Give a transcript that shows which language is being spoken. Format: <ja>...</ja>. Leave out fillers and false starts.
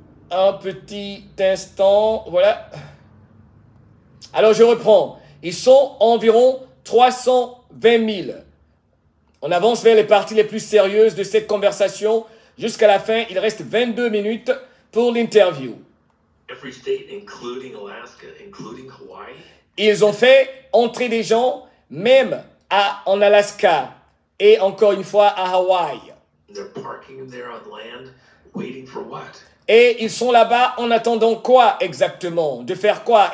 <fr>Un petit instant, voilà. Alors, je reprends. Ils sont environ 320 000. On avance vers les parties les plus sérieuses de cette conversation. Jusqu'à la fin, il reste 22 minutes pour l'interview.</fr> <en>Every state, including Alaska, including Hawaii.</en> <fr>Ils ont fait entrer des gens, même en Alaska et encore une fois à Hawaï.</fr> <en>They're parking there on land, waiting for what?</en> <fr>Et ils sont là-bas en attendant quoi exactement? De faire quoi?</fr>